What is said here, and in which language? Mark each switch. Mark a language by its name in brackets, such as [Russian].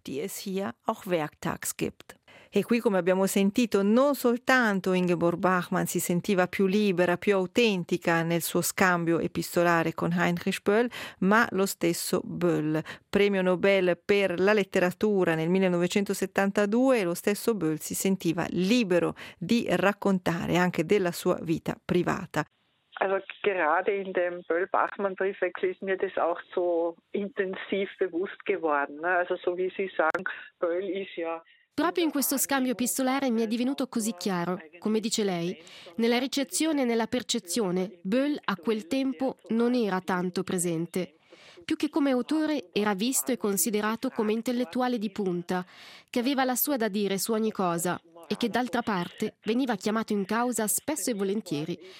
[German] Die es hier auch werktags gibt. [Italian] E qui, come abbiamo sentito, non soltanto Ingeborg Bachmann si sentiva più libera, più autentica nel suo scambio epistolare con Heinrich Böll, ma lo stesso Böll, premio Nobel per la letteratura nel 1972, lo stesso Böll si sentiva libero di raccontare anche della sua vita privata. [German] Also gerade in dem Böll-Bachmann-Briefwechsel ist mir das auch so intensiv bewusst geworden, also so wie Sie sagen, Böll ist ja... [Italian] Proprio in questo scambio epistolare mi è divenuto così chiaro, come dice lei, nella ricezione e nella percezione, Böll a quel tempo non era tanto presente. Più che come autore, era visto e considerato come intellettuale di punta, che aveva la sua da dire su ogni cosa e che, d'altra parte, veniva chiamato in causa spesso e volentieri.